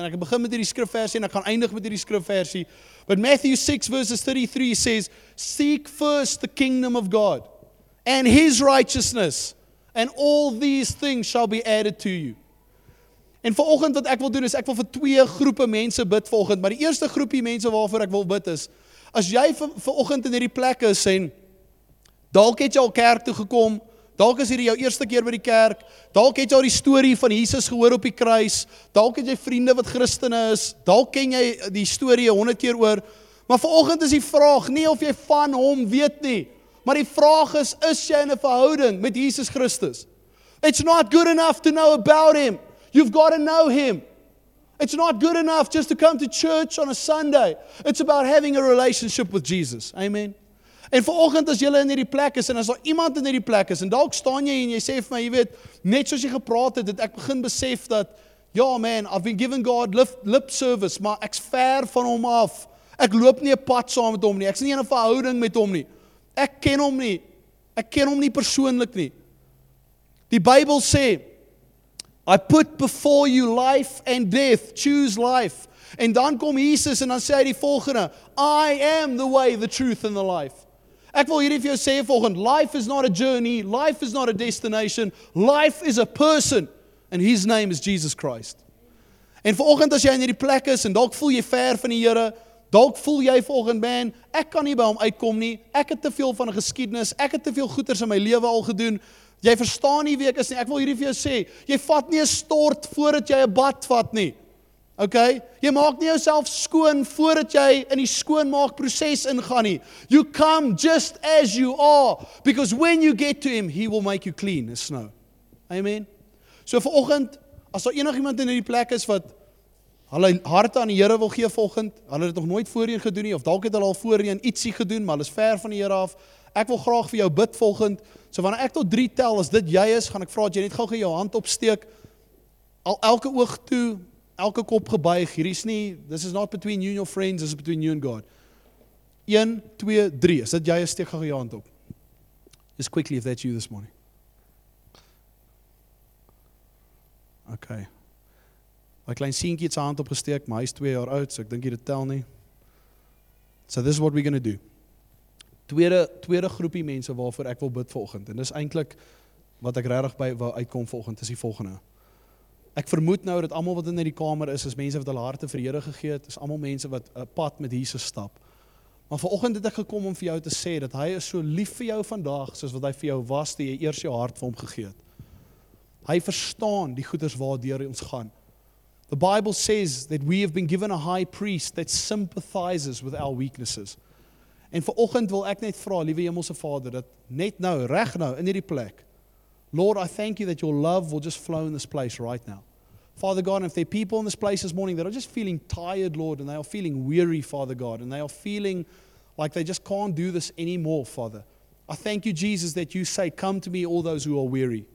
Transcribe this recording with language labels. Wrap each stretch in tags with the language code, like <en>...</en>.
<af>En ek het begin met hierdie skrifversie en ek gaan eindig met hierdie skrifversie.</af> <en>But Matthew 6 verses 33 says, seek first the kingdom of God and his righteousness and all these things shall be added to you.</en> <af>En vanoggend wat ek wil doen is ek wil vir twee groepe mense bid volgende. Maar die eerste groepie mense waarvoor ek wil bid is, as jy vanoggend in hierdie plek is en dalk het jy al kerk toe gekom, dalk is hierdie jou eerste keer by die kerk, dalk het jy al die story van Jesus gehoor op die kruis, dalk het jy vriende wat Christene is, dalk ken jy die story 100 keer oor, maar vanoggend is die vraag nie of jy van hom weet nie, maar die vraag is jy in 'n verhouding met Jesus Christus?</af> <en>It's not good enough to know about him. You've got to know him. It's not good enough just to come to church on a Sunday. It's about having a relationship with Jesus.</en> <af>Amen. En vanoggend as julle in hierdie plek is en as daar iemand in hierdie plek is en dalk staan jy en jy sê vir my, jy weet, net soos jy gepraat het, ek begin besef dat, ja man,</af> <en>I've been given God lip service,</en> <af>maar ek's ver van hom af. Ek loop nie 'n pad saam met hom nie. Ek's nie in 'n verhouding met hom nie. Ek ken hom nie. Ek ken hom nie persoonlik nie. Die Bybel sê,</af> <en>I put before you life and death, choose life.</en> <af>En dan kom Jesus en dan sê hy die volgende,</af> <en>I am the way, the truth and the life.</en> <af>Ek wil hierdie vir jou sê volgende,</af> <en>life is not a journey, life is not a destination, life is a person, and his name is Jesus Christ.</en> <af>En vanoggend as jy in hierdie plek is, en dalk voel jy ver van die Here, dalk voel jy volgende, man, ek kan nie by hom uitkom nie, ek het te veel van 'n geskiedenis, ek het te veel goeders in my lewe al gedoen, jy verstaan nie wie ek is nie, ek wil hierdie vir jou sê, jy vat nie 'n stort voordat jy 'n bad vat nie. Okay, jy maak nie jouself skoon voordat jy in die skoonmaakproses ingaan nie.</af> <en>You come just as you are, because when you get to him, he will make you clean as snow. Amen.</en> <af>So vanoggend, as daar enigiemand in hierdie plek is wat hulle harte aan die Here wil gee volgend. Hulle het nog nooit voorheen gedoen nie of dalk het hulle al voorheen ietsie gedoen, maar hulle is ver van die Here af. Ek wil graag vir jou bid volgend. So wanneer ek tot 3 tel, as dit jy is, gaan ek vra dat jy net gou jou hand opsteek. Al elke oog toe, elke kop gebuig. Hier is nie,</af> <en>this is not between you and your friends, this is between you and God.</en> <af>1, 2, 3. Is dit jy, steek gou jou hand op.</af> <en>Just quickly if that's you this morning. Okay.</en> <af>My klein seentjie het sy hand opgesteek, maar hy is 2 jaar oud, so ek dink jy dit tel nie.</af> <en>So this is what we're going to do.</en> <af>Tweede groepie mense waarvoor ek wil bid volgend, en dis eintlik wat ek regtig by wil uitkom volgend, is die volgende. Ek vermoed nou dat almal wat in die kamer is, is mense wat hulle harte vir Here gegee het, is almal mense wat 'n pad met Jesus stap. Maar vanoggend het ek gekom om vir jou te sê dat hy is so lief vir jou vandag, soos wat hy vir jou was, toe jy eers jou hart vir hom gegee het. Hy verstaan die goeders waardeur ons gaan.</af> <en>The Bible says that we have been given a high priest that sympathizes with our weaknesses.</en> <af>En vanoggend wil ek net vra, liewe Hemelse Vader, dat net nou, reg nou, in hierdie plek,</af> <en>Lord, I thank you that your love will just flow in this place right now. Father God, if there are people in this place this morning that are just feeling tired, Lord, and they are feeling weary, Father God, and they are feeling like they just can't do this anymore, Father, I thank you, Jesus, that you say, come to me, all those who are weary.</en>